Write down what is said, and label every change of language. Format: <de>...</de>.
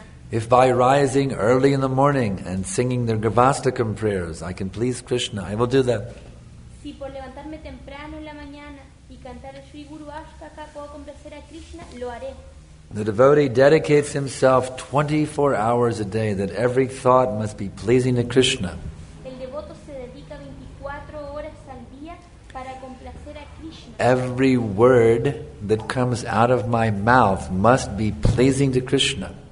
<en>If by rising early in the morning and singing the Gavastakam prayers, I can please Krishna, I will do that.</en> <es>Si por levantarme temprano en la mañana y cantar el Sri Guru Ashtaka puedo complacer a Krishna, lo haré.</es> <en>The devotee dedicates himself 24 hours a day that every thought must be pleasing to Krishna.</en> <es>El devoto se dedica 24 horas al día para complacer a Krishna.</es> <en>Every word that comes out of my mouth must be pleasing to Krishna.</en>